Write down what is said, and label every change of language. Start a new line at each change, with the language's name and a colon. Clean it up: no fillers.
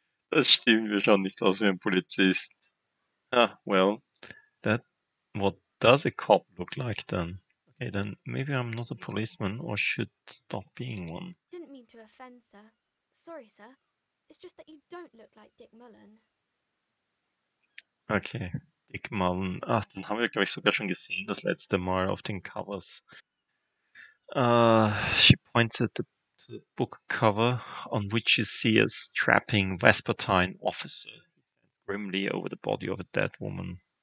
German: Das stimmt, wir schauen nicht aus wie ein Polizist.
English: Ah, well, that, what does a cop look like then? Okay, then maybe I'm not a policeman or should stop being one. Didn't mean to offend, sir. Sorry, sir. It's just that you don't look like Dick Mullen. Okay, Dick Mullen.
German: Ah, den haben wir, glaube ich, sogar schon gesehen, das letzte Mal auf den Covers.
English: She points at the book cover on which you see a strapping Vespertine officer. Grimly over the body of a dead woman.